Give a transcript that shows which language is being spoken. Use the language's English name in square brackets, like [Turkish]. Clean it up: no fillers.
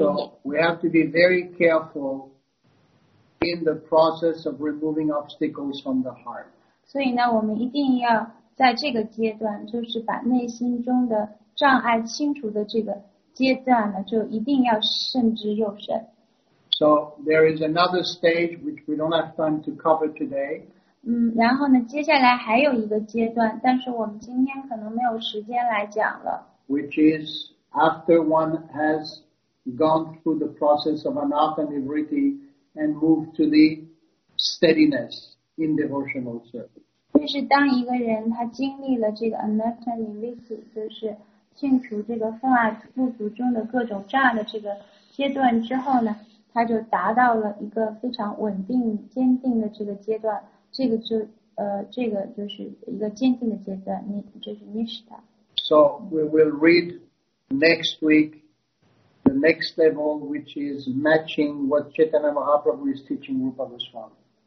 [English] So we have to be very careful in the process of removing obstacles from the heart. [Chinese] 所以呢，我们一定要在这个阶段，就是把内心中的障碍清除的这个阶段呢，就一定要慎之又慎。 [English] So there is another stage which we don't have time to cover today. [Chinese] 然后呢，接下来还有一个阶段，但是我们今天可能没有时间来讲了。 [English] Which is after one has gone through the process of anatta nivritti and moved to the steadiness in devotional service. [Chinese] 就是当一个人他经历了这个 anatta nivritti， 就是清除这个分二不足中的各种障的这个阶段之后呢？他就达到了一个非常稳定坚定的这个阶段，这个就这个就是一个坚定的阶段，你就是 Nishtha。 [English] So we will read next week the next level which is matching what Chaitanya Mahaprabhu is teaching Rupa Goswami。